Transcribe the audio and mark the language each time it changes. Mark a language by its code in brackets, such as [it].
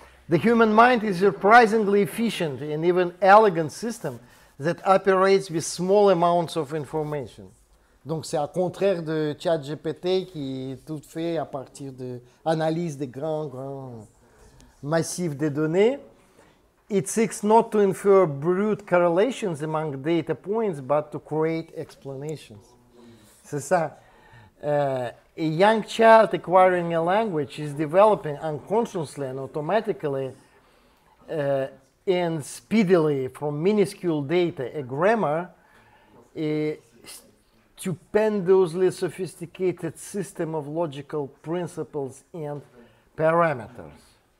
[en] The human mind is a surprisingly efficient and even elegant system that operates with small amounts of information. [fr] Donc c'est au contraire de ChatGPT qui est tout fait à partir d'analyse des grands massifs de données. [en] It seeks not to infer brute correlations among data points, but to create explanations. [fr] C'est ça. [en] A young child acquiring a language is developing unconsciously and automatically and speedily from minuscule data a grammar, a stupendously sophisticated system of logical principles and parameters.